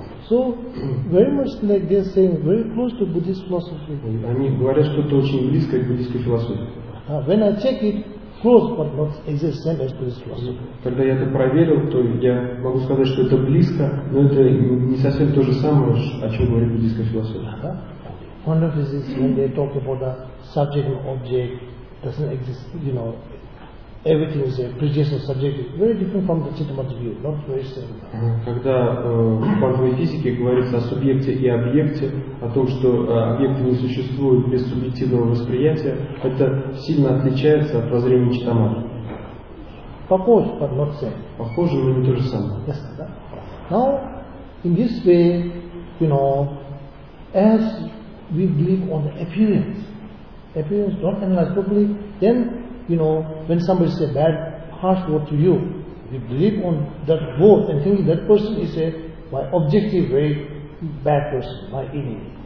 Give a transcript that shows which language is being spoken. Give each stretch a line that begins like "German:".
English: So, very much like they're saying, very close to Buddhist philosophy.
Russian: Они говорят что-то очень близкое к буддийской философии.
English: When I check it, close, but not exist, same as Buddhist philosophy.
Russian: Когда я это проверил, то я могу сказать, что это близко, но это не совсем то же самое, о чем говорит буддийская философия.
English: One of these is when they talk about the subject and object doesn't exist, you know, everything is a prejudicial subject, very different from the Chittamatta view, not very same.
Russian: Когда в квантовой физике говорится о субъекте и объекте, о том, что объекты не существуют без субъективного восприятия, это сильно отличается от воззрения Читтамата. Похоже,
English: but not same.
Russian: Похоже, но не то же самое.
English: Yes. Now, in this way, you know, as we believe on the appearance, appearance don't analyze properly, then you know, when somebody says bad, harsh word to you, we believe on that word and think that person is a my objective very bad person, my enemy.